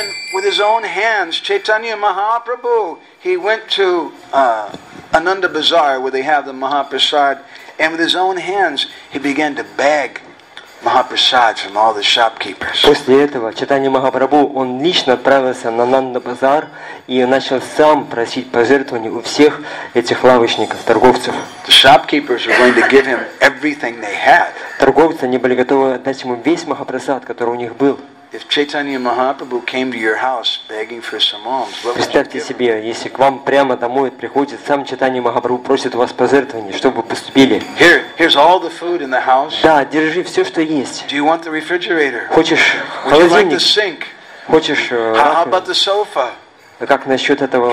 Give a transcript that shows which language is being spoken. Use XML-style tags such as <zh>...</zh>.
<en>Chaitanya Mahaprabhu, he went to Ananda Bazaar where they have the Mahaprasad, and with his own hands he began to beg Mahaprasad from all the shopkeepers.</en> <ru>После этого Чайтанья Махапрабху он лично отправился на Ананда Базар и начал сам просить пожертвований у всех этих лавочников, торговцев.</ru> <en>The shopkeepers were going to give him everything they had.</en> <ru>Торговцы не были готовы отдать ему весь Махапрасад, который у них был.</ru> <en>If Chaitanya Mahaprabhu came to your house begging for some alms, what would you give?</en> <ru>Представьте себе, если к вам прямо домой приходит сам Чайтанья Махапрабху, просит у вас пожертвований, чтобы поступили.</ru> <en>Here's all the food in the house.</en> <ru>Да, держи все, что есть.</ru> <en>Do you want the refrigerator?</en> <ru>Хочешь холодильник?</ru> <en>Would you like the sink?</en> <ru>Хочешь раковину?</ru> <en>How about the sofa?</en> <ru>Как насчет этого</ru>